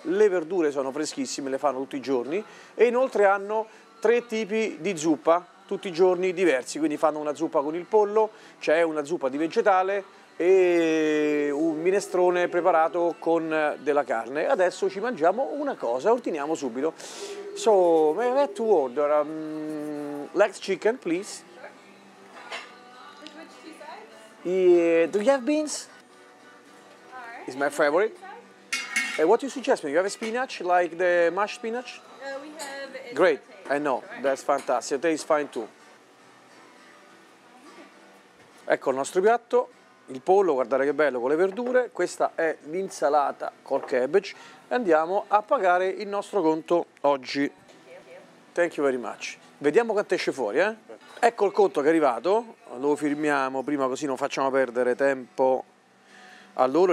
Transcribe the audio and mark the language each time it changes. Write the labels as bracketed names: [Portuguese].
[Italian] Le verdure sono freschissime, le fanno tutti i giorni e inoltre hanno tre tipi di zuppa tutti i giorni diversi, quindi fanno una zuppa con il pollo, c'è cioè una zuppa di vegetale e un minestrone preparato con della carne. Adesso ci mangiamo una cosa, ordiniamo subito. [English] So, may I have to order leg chicken, please? Yeah, do you have beans? It's my favorite. Hey, what do you suggest me? You have a spinach, like the mashed spinach? We have. Great, I know, that's fantastic. It tastes fine too. [Italian] Ecco il nostro piatto, il pollo, guardate che bello, con le verdure. Questa è l'insalata col cabbage. E andiamo a pagare il nostro conto oggi. [English] Thank you very much. [Italian] Vediamo quanto esce fuori, eh? Ecco il conto che è arrivato. Lo firmiamo prima così non facciamo perdere tempo a loro.